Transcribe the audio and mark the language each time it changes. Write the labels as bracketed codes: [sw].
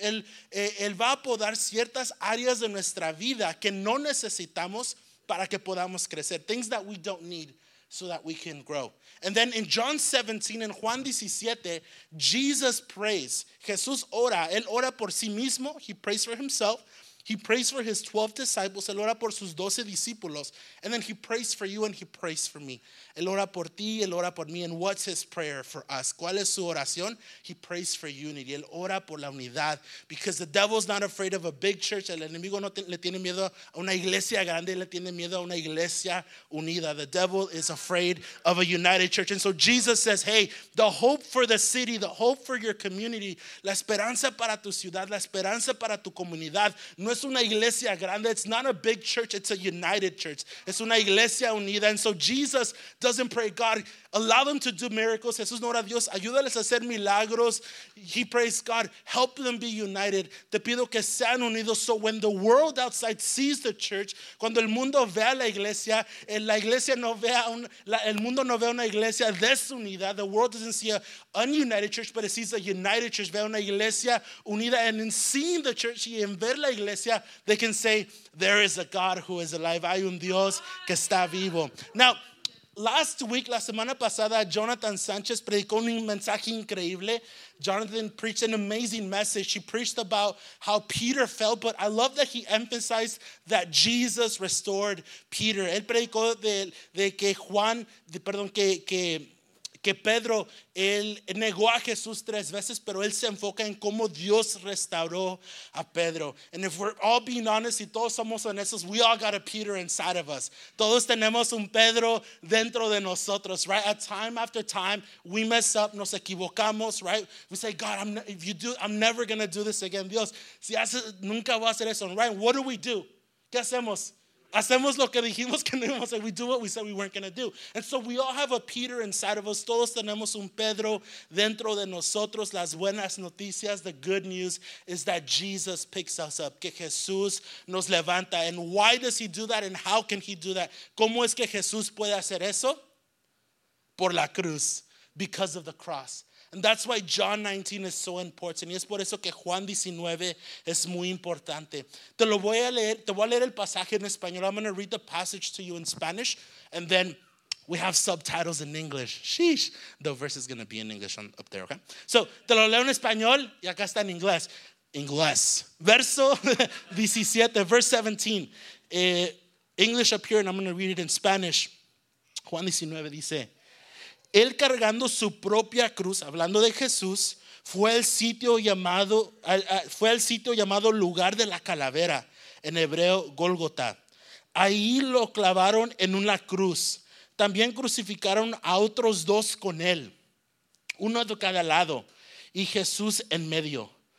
[es] Él va a podar ciertas áreas de nuestra vida que no necesitamos para que podamos crecer. [en] Things that we don't need so that we can grow. And then in John 17, in Juan 17, Jesus prays. [es] Jesús ora. Él ora por sí mismo. [en] He prays for himself. He prays for his 12 disciples. [es] Él ora por sus 12 discípulos. [en] And then he prays for you and he prays for me. [es] Él ora por ti, él ora por mí. [en] And what's his prayer for us? [es] ¿Cuál es su oración? [en] He prays for unity. [es] Él ora por la unidad. [en] Because the devil's not afraid of a big church. [es] El enemigo no le tiene miedo a una iglesia grande. Le tiene miedo a una iglesia unida. [en] The devil is afraid of a united church. And so Jesus says, hey, the hope for the city, the hope for your community, [es] la esperanza para tu ciudad, la esperanza para tu comunidad, no es una iglesia grande. [en] It's not a big church. It's a united church. [es] Es una iglesia unida. [en] And so Jesus doesn't pray, God, allow them to do miracles. [es] Jesús no ora a Dios, ayúdales a hacer milagros. [en] He prays, God, help them be united. [es] Te pido que sean unidos. [en] So when the world outside sees the church, [es] cuando el mundo vea la iglesia, la iglesia no vea el mundo no vea una iglesia desunida. [en] The world doesn't see an ununited church, but it sees a united church. [es] Vea una iglesia unida. [en] And in seeing the church [es] y en ver la iglesia, [en] they can say, there is a God who is alive. [es] Hay un Dios que está vivo. [en] Now, last week, [es] la semana pasada, Jonathan Sanchez predicó un mensaje increíble. [en] Jonathan preached an amazing message. He preached about how Peter fell, but I love that he emphasized that Jesus restored Peter. [es] Él predicó de que Juan, de, perdón, que Pedro, él negó a Jesús tres veces, pero él se enfoca en cómo Dios restauró a Pedro. [en] And if we're all being honest, [es] y todos somos honestos, [en] we all got a Peter inside of us. [es] Todos tenemos un Pedro dentro de nosotros, right? [en] At time after time, we mess up, [es] nos equivocamos, [en] right? We say, God, I'm never going to do this again. [es] Dios, si hace, nunca voy a hacer eso, right? [en] What do? [es] ¿Qué hacemos? Hacemos lo que dijimos que no íbamos a hacer. [en] We do what we said we weren't going to do. And so we all have a Peter inside of us. [es] Todos tenemos un Pedro dentro de nosotros. Las buenas noticias, [en] the good news is that Jesus picks us up. [es] Que Jesús nos levanta. [en] And why does he do that? And how can he do that? [es] ¿Cómo es que Jesús puede hacer eso? Por la cruz. [en] Because of the cross. And that's why John 19 is so important. [es] Y es por eso que Juan 19 es muy importante. Te lo voy a leer, te voy a leer el pasaje en español. [en] I'm going to read the passage to you in Spanish. And then we have subtitles in English. Sheesh. The verse is going to be in English up there, okay? [es] So, te lo leo en español y acá está en inglés. Inglés. Verso 17, verse 17. [en] English up here and I'm going to read it in Spanish. [es] Juan 19 dice, él cargando su propia cruz, hablando de Jesús, fue al sitio llamado lugar de la calavera, en hebreo Gólgota. Ahí lo clavaron en una cruz. También crucificaron a otros dos con él, uno de cada lado, y Jesús en medio.